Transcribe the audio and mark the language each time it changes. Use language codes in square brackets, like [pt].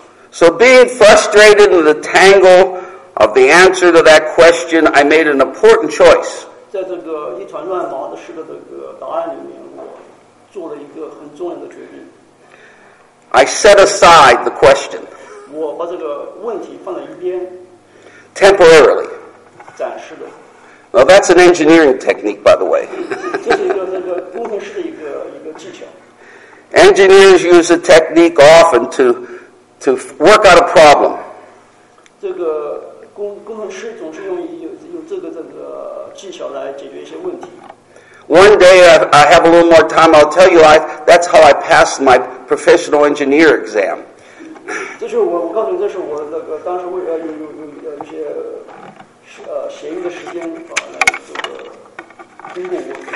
[en] So being frustrated in the tangle of the answer to that question, I made an important choice. [zh] 在这个一团乱麻的事的这个答案里面，我做了一个很重要的决定。 [en] I set aside the question. [zh] 我把这个问题放在一边。 [en] Temporarily. [zh] 暂时的。 [en] Well, that's an engineering technique, by the way. [zh] 这是一个那个工程师的一个技巧。 [en] Engineers use a technique often to work out a problem. [zh] 这个工程师总是用这个技巧来解决一些问题。 [en] One day, I have a little more time, I'll tell you, that's how I passed my professional engineer exam. [zh] 这是我告诉你，这是我那个当时为了有一些闲余的时间来这个通过我